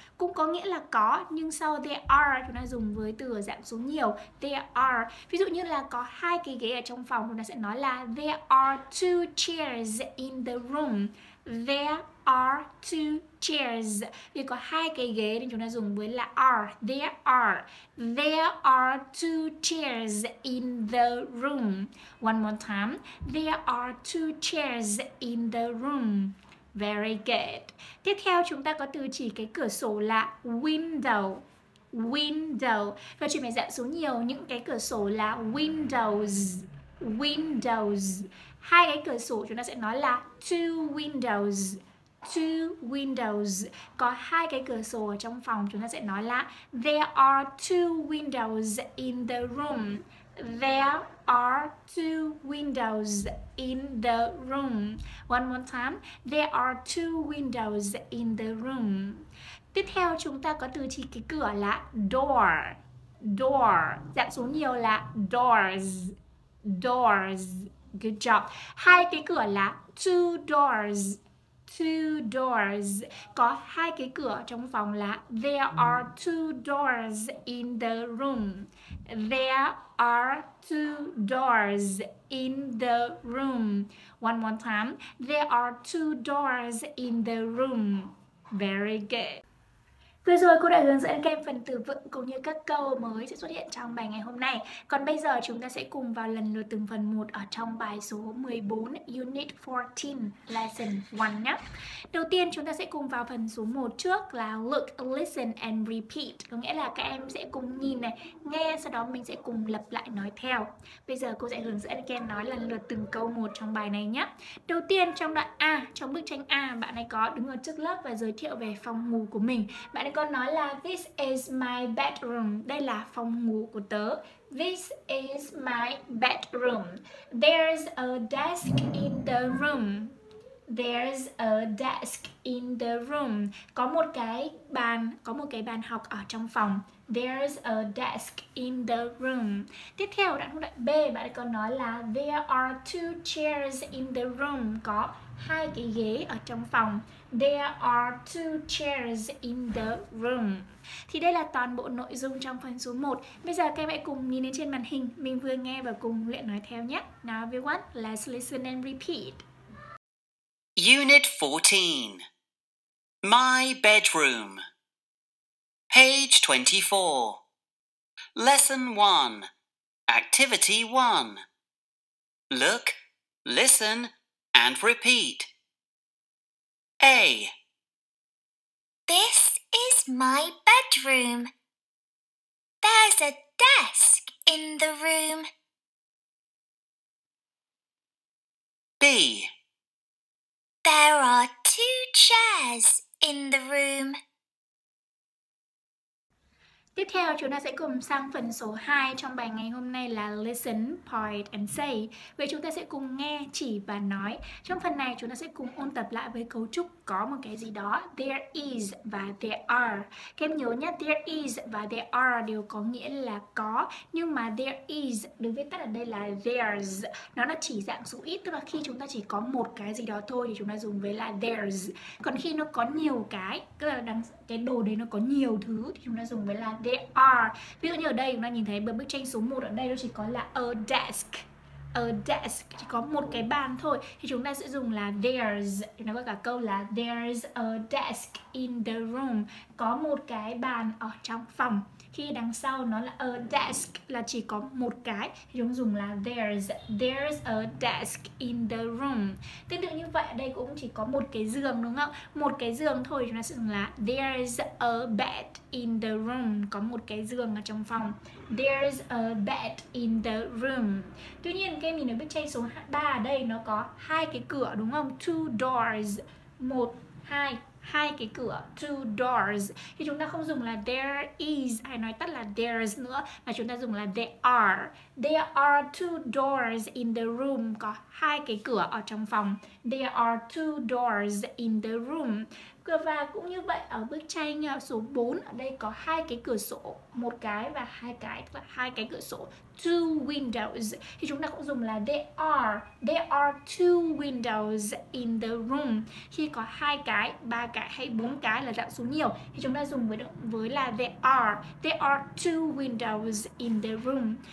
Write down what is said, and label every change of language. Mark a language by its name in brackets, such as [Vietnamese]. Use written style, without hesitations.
[Vietnamese] Cũng có nghĩa là có, nhưng sau [English] there are [Vietnamese] chúng ta dùng với từ ở dạng số nhiều, there are. Ví dụ như là có hai cái ghế ở trong phòng, chúng ta sẽ nói là [English] there are two chairs in the room. There are two chairs. [Vietnamese] Vì có hai cái ghế nên chúng ta dùng với là are. [English] There are. There are two chairs in the room. One more time. There are two chairs in the room. Very good. [Vietnamese] Tiếp theo chúng ta có từ chỉ cái cửa sổ là window. Window. Và chuyển về dạng số nhiều, những cái cửa sổ là windows. Windows. Hai cái cửa sổ chúng ta sẽ nói là [English] two windows. Two windows. [Vietnamese] Có hai cái cửa sổ ở trong phòng, chúng ta sẽ nói là [English] there are two windows in the room. There are two windows in the room. One more time. There are two windows in the room. [Vietnamese] Tiếp theo chúng ta có từ chỉ cái cửa là door. [English] Door. [Vietnamese] Dạng số nhiều là [English] doors. Doors. Good job. [Vietnamese] Hai cái cửa là [English] two doors. [Vietnamese] Two doors. Có hai cái cửa trong phòng là [English] there are two doors in the room. There are two doors in the room. One more time. There are two doors in the room. Very good. [Vietnamese] Vừa rồi cô đã hướng dẫn các em phần từ vựng cũng như các câu mới sẽ xuất hiện trong bài ngày hôm nay. Còn bây giờ chúng ta sẽ cùng vào lần lượt từng phần một ở trong bài số 14, Unit 14, Lesson 1 nhé. Đầu tiên chúng ta sẽ cùng vào phần số 1 trước là [English] Look, Listen and Repeat. [Vietnamese] Có nghĩa là các em sẽ cùng nhìn này, nghe, sau đó mình sẽ cùng lặp lại nói theo. Bây giờ cô sẽ hướng dẫn các em nói lần lượt từng câu một trong bài này nhé. Đầu tiên trong đoạn A, trong bức tranh A, bạn ấy có đứng ở trước lớp và giới thiệu về phòng ngủ của mình. Bạn ấy con nói là [English] this is my bedroom, [Vietnamese] đây là phòng ngủ của tớ. [English] This is my bedroom. There's a desk in the room. There's a desk in the room. [Vietnamese] Có một cái bàn, có một cái bàn học ở trong phòng. [English] There's a desk in the room. [Vietnamese] Tiếp theo đoạn B, bạn con nói là [English] there are two chairs in the room. [Vietnamese] Có hai cái ghế ở trong phòng. [English] There are two chairs in the room. [Vietnamese] Thì đây là toàn bộ nội dung trong phần số 1. Bây giờ các em hãy cùng nhìn lên trên màn hình. Mình vừa nghe và cùng luyện nói theo nhé. [English] Now everyone, let's listen and repeat. Unit 14. My bedroom. Page 24. Lesson 1. Activity 1. Look, listen, and repeat. A. This is my bedroom. There's a desk in the room. B. There are two chairs in the room. [Vietnamese] Tiếp theo chúng ta sẽ cùng sang phần số 2 trong bài ngày hôm nay là [English] Listen, Point and Say. [Vietnamese] Vậy chúng ta sẽ cùng nghe, chỉ và nói. Trong phần này chúng ta sẽ cùng ôn tập lại với cấu trúc có một cái gì đó, [English] there is [Vietnamese] và [English] there are. [Vietnamese] Các em nhớ nhé, [English] there is [Vietnamese] và [English] there are [Vietnamese] đều có nghĩa là có. Nhưng mà [English] there is [Vietnamese] được viết tắt ở đây là [English] there's. [Vietnamese] Nó là chỉ dạng số ít, tức là khi chúng ta chỉ có một cái gì đó thôi thì chúng ta dùng với là there's. Còn khi nó có nhiều cái, tức là đằng cái đồ đấy nó có nhiều thứ thì chúng ta dùng với là [English] they are. [Vietnamese] Ví dụ như ở đây chúng ta nhìn thấy bức tranh số 1 ở đây nó chỉ có là [English] a desk. A desk [Vietnamese] chỉ có một cái bàn thôi thì chúng ta sẽ dùng là [English] there's. [Vietnamese] Chúng ta có cả câu là [English] there's a desk in the room. [Vietnamese] Có một cái bàn ở trong phòng. Khi đằng sau nó là [English] a desk [Vietnamese] là chỉ có một cái thì chúng ta dùng là [English] there's. There's a desk in the room. [Vietnamese] Tương tự như vậy ở đây cũng chỉ có một cái giường đúng không? Một cái giường thôi chúng ta sẽ dùng là [English] there's a bed in the room. [Vietnamese] Có một cái giường ở trong phòng. [English] There's a bed in the room. [Vietnamese] Tuy nhiên các em nhìn ở bức tranh số 3 ở đây nó có hai cái cửa đúng không? [English] Two doors. [Vietnamese] Một, hai. Hai cái cửa, [English] two doors. [Vietnamese] Thì chúng ta không dùng là [English] there is [Vietnamese] hay nói tắt là [English] there's [Vietnamese] nữa, mà chúng ta dùng là [English] there are. There are two doors in the room. [Vietnamese] Có hai cái cửa ở trong phòng. [English] There are two doors in the room. [Vietnamese] Và cũng như vậy ở bức tranh số 4, ở đây có hai cái cửa sổ, một cái và hai cái, tức là hai cái cửa sổ, [English] two windows. [Vietnamese] Thì chúng ta cũng dùng là [English] there are two windows in the room. [Vietnamese] Khi có hai cái, ba cái hay bốn cái là dạng số nhiều thì chúng ta dùng với là [English] there are two windows in the room.